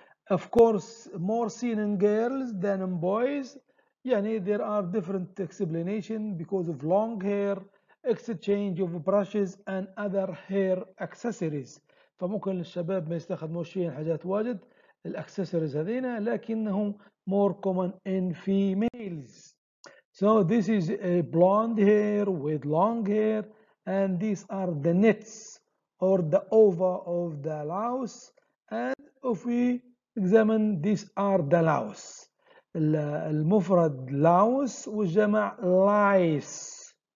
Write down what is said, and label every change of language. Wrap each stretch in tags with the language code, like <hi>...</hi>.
<en>Of course more seen in girls than in boys. يعني there are different explanation because of long hair, exchange of brushes and other hair accessories.</en> <ar>فممكن الشباب ما يستخدموش شيء حاجات واجد الاكسسوارز هذينا، لكنهم</ar> <en>more common in females. So this is a blonde hair with long hair, and these are the nets or the ova of the louse. And if we examine, these are the louse.</en> <ar>المفرد louse والجمع lice.</ar>